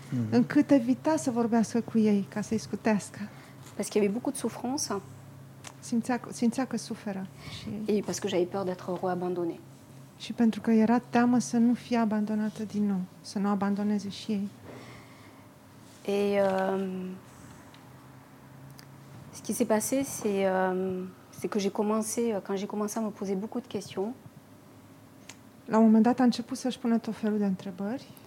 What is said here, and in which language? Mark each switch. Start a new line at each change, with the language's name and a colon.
Romanian: Încât evita să vorbească cu ei, ca să-i scutească.
French: Parce qu'il y avait beaucoup de souffrance.
Romanian: Simțea că suferă.
French: Et parce que j'avais peur d'être reabandonnée.
Romanian: Și pentru că era teamă să nu fie abandonată din nou, să nu abandoneze și ei.
French: Et ce qui s'est passé, c'est que j'ai commencé à me poser beaucoup de questions.
Romanian: La un moment dat a început să-și pună tot felul de întrebări.